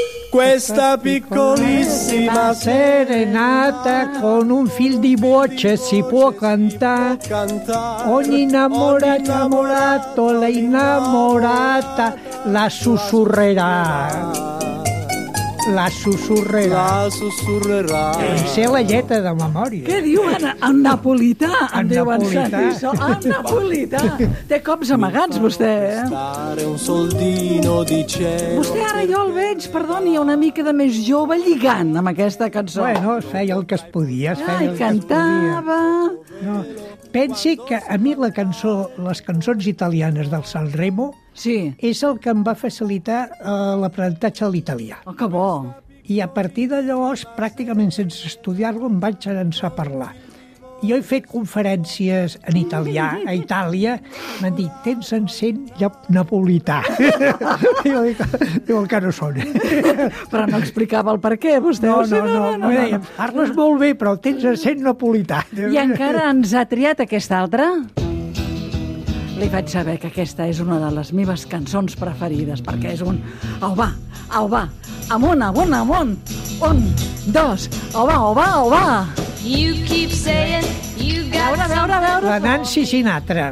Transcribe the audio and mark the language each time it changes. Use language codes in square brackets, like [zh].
[it] Questa piccolissima serenata con un fil di voce si può cantare. Ogni innamorato, la innamorata la sussurrerà. La sussurrerà. La sussurrerà. [ca] En sé la lleta de memòria. Què diu? En napolità. En napolità. En napolità. Té cops amagats, vostè. [it] Un soldino di cielo. [ca] Vostè ara jo el veig, perdoni, una mica de més jove lligant amb aquesta cançó. Bueno, es feia el que es podia. Ai, cantava. No, pensi que a mi la cançó, les cançons italianes del Sanremo, sí, és el que em va facilitar l'aprenentatge de l'italià. Oh, que bo! I a partir de llavors, pràcticament sense estudiar-lo, em vaig començar a parlar. Jo he fet conferències en italià, a Itàlia, m'han dit, tens encent napolità. I jo dic, diu el Carosone. Però no explicava el per què, vostè. No. Parles molt bé, però tens encent napolità. I encara ens ha triat aquesta altra? Li vaig saber que aquesta és una de les meves cançons preferides, perquè és un au va, amunt, amunt, amunt, un, dos, au va, au va, au va. [en] You keep saying you got [ca] a veure. La Nancy Sinatra.